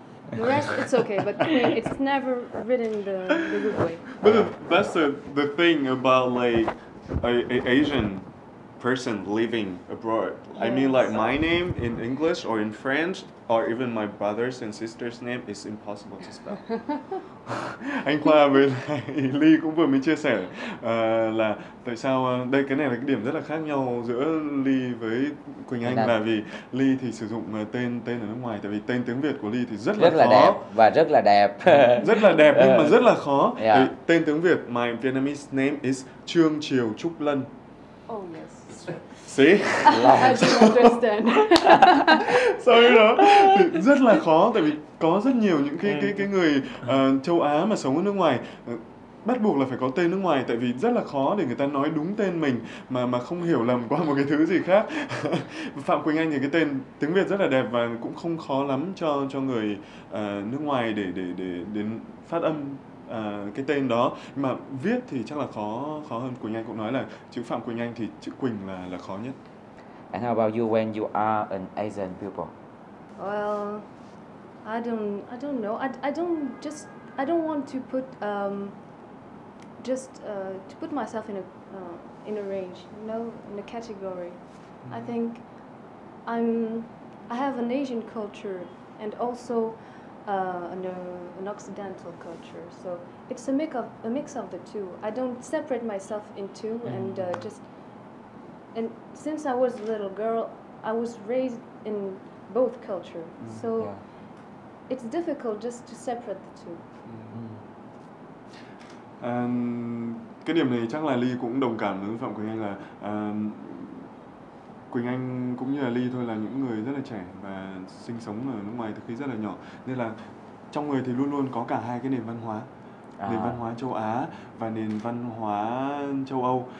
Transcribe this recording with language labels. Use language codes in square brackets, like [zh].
[en] The rest, it's okay, but Queen, it's never written the good way. But that's the thing about, like, a Asian person living abroad. Yes. I mean, like, my name in English or in French, or even my brother's and sister's name, is impossible to spell. [vi] Anh Khoa với lại Ly cũng vừa mới chia sẻ là tại sao đây, cái này là cái điểm rất là khác nhau giữa Ly với Quỳnh Anh, là vì Ly thì sử dụng tên ở nước ngoài, tại vì tên tiếng Việt của Ly thì rất là khó, đẹp và rất là đẹp. Rất là đẹp nhưng mà rất là khó. Yeah. Thì tên tiếng Việt, [en] my Vietnamese name is [vi] Trương Triều Trúc Lân. [en] Oh yes. See? Like. I understand. Sorry đó. [vi] Thì rất là khó, tại vì có rất nhiều những cái người châu Á mà sống ở nước ngoài bắt buộc là phải có tên nước ngoài, tại vì rất là khó để người ta nói đúng tên mình mà không hiểu lầm qua một cái thứ gì khác. Phạm Quỳnh Anh thì cái tên tiếng Việt rất là đẹp và cũng không khó lắm cho người nước ngoài để đến phát âm cái tên đó, nhưng mà viết thì chắc là khó hơn. Quỳnh Anh cũng nói là chữ Phạm Quỳnh Anh thì chữ Quỳnh là khó nhất. [en] And how about you when you are an Asian pupil? Well, I don't know. I don't want to put to put myself in a range, you know, in a category. Mm. I think I have an Asian culture and also an Occidental culture, so it's a mix of the two. I don't separate myself in two, and since I was a little girl, I was raised in both culture. Mm, so yeah, it's difficult just to separate the two. Mm-hmm. [vi] Cái điểm này chắc là Ly cũng đồng cảm với Phạm Quỳnh Anh, là Quỳnh Anh cũng như là Ly thôi là những người rất là trẻ và sinh sống ở nước ngoài từ khi rất là nhỏ, nên là trong người thì luôn luôn có cả hai cái nền văn hóa, nền văn hóa châu Á và nền văn hóa châu Âu.